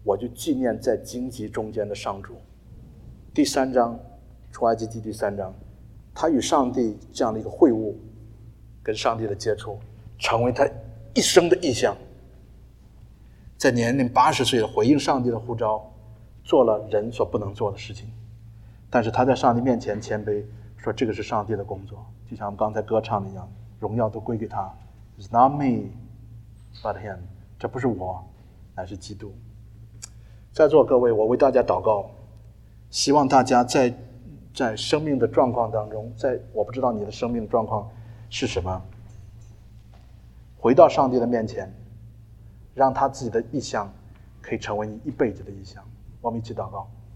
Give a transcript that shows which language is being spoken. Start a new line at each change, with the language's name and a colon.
Chinese: 我就纪念在荆棘中间的上主。第三章，出埃及记第三章，他与上帝这样的一个会晤，跟上帝的接触，成为他一生的意象。在年龄80岁的回应上帝的呼召，做了人所不能做的事情，但是他在上帝面前谦卑，说这个是上帝的工作，就像刚才歌唱的一样，荣耀都归给他。
English: It's not me but him，
Chinese: 这不是我，乃是基督。在座各位，我为大家祷告，希望大家在生命的状况当中，在我不知道你的生命状况是什么，回到上帝的面前，让他自己的意象可以成为你一辈子的意象。我们一起祷告。